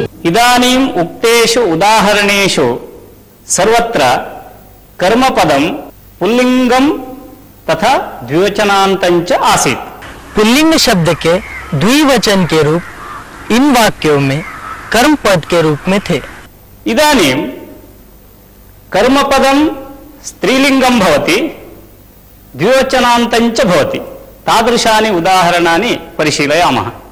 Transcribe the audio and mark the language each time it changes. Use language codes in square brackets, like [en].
[sa] इदानीम् उक्तेषु उदाहरणेषु सर्वत्र कर्मपदं पुल्लिङ्गं तथा द्विवचनान्तञ्च आसीत्। [hi] पुल्लिङ्ग शब्द के द्विवचन के रूप इन वाक्यों में कर्मपद के रूप में थे। [sa] इदानीं कर्मपदं स्त्रीलिङ्गं भवति, द्विवचनान्तञ्च भवति, तादृशानि उदाहरणानि परिशीलयामः।